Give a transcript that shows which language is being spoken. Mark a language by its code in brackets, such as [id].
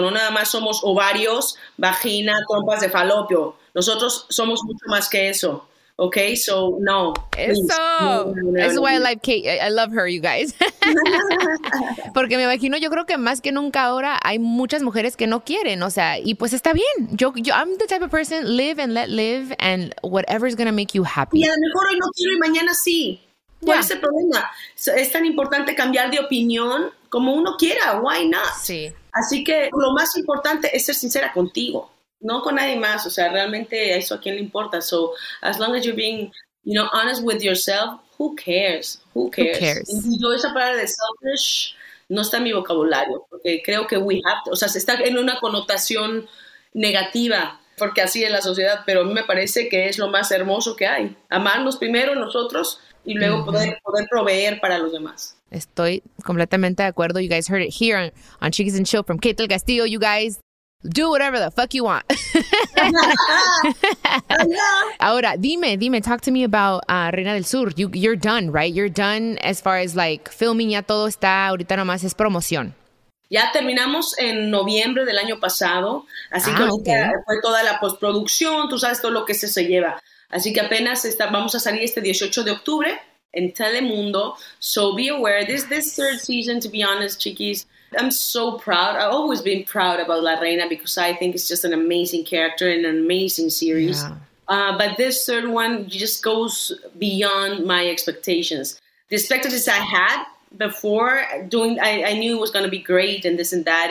[es] No nada más somos ovarios, vagina, trompas de Falopio. Nosotros somos mucho más que eso. [en] Okay, so no. [es] Eso. [en] This is why I like Kate. I love her, you guys. [es] Porque me imagino, yo creo que más que nunca ahora hay muchas mujeres que no quieren. O sea, y pues está bien. [en] Yo, I'm the type of person, live and let live, and whatever is going to make you happy. [es] Y a lo mejor hoy no quiero y mañana sí. ¿Cuál es el problema? Es tan importante cambiar de opinión como uno quiera. [en] Why not? [es] Sí. Así que lo más importante es ser sincera contigo. No con nadie más, o sea, realmente eso a quién le importa. [en] So as long as you're being, you know, honest with yourself, who cares? Who cares? Who cares? [es] Y yo esa palabra de selfish no está en mi vocabulario, porque creo que [en] we have to, [es] o sea, se está en una connotación negativa, porque así es la sociedad, pero a mí me parece que es lo más hermoso que hay, amarnos primero nosotros y luego poder proveer para los demás. Estoy completamente de acuerdo. [en] You guys heard it here on Chiquis and Chill from Kate del Castillo. You guys, do whatever the fuck you want. [es] Ahora, dime, [en] talk to me about Reina del Sur. You're done, right? You're done as far as like filming, [es] ya todo está, ahorita nomás es promoción. Ya terminamos en noviembre del año pasado, así que fue toda la postproducción, tú sabes todo lo que se lleva. Así que apenas vamos a salir este 18 de octubre en Telemundo. [en] So be aware, this third season, to be honest, chiquis, I'm so proud. I've always been proud about La Reina because I think it's just an amazing character and an amazing series. Yeah. But this third one just goes beyond my expectations. The expectations I had before doing, I knew it was going to be great and this and that.